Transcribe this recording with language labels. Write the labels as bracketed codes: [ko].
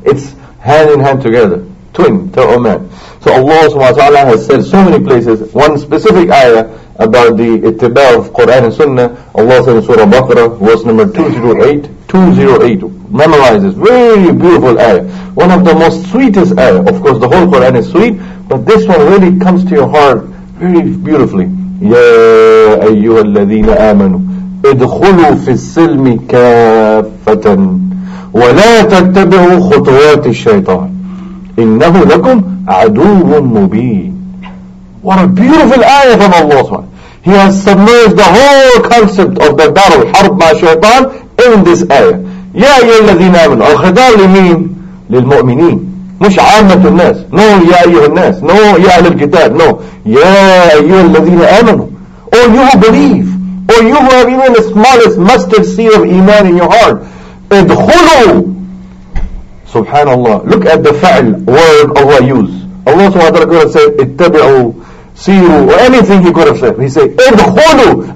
[en] It's hand in hand together. Twin, ta'uman. So Allah subhanahu wa ta'ala has said so many places, one specific ayah about the ittiba of Quran and Sunnah. Allah said in Surah Baqarah, verse number 208. Memorize this. Very beautiful ayah. One of the most sweetest ayah. Of course, the whole Quran is sweet, but this one really comes to your heart very beautifully. [ar] Ya ayyuha alladhina amanu. ادخلوا في السلم كافة ولا تتبعوا خطوات الشيطان إنه لكم عدو مبين. [en] What a beautiful ayah from Allah. He has submerged the whole concept of the battle, [ar] حرب مع الشيطان, [en] in this ayah. [ar] يا أيها الذين آمنوا. الخطاب لمين؟ للمؤمنين. مش عامة الناس. No, يا أيها الناس. No, يا أهل الكتاب. [en] No. [ar] يا أيها الذين آمنوا. [en] All you who believe. Or you who have even the smallest mustard seed of iman in your heart. Idkhulu. Subhanallah. Look at the fa'l, word Allah used. Allah subhanahu wa ta'ala could have said, ittabi'u, siru, or anything he could have said. He said, idkhulu.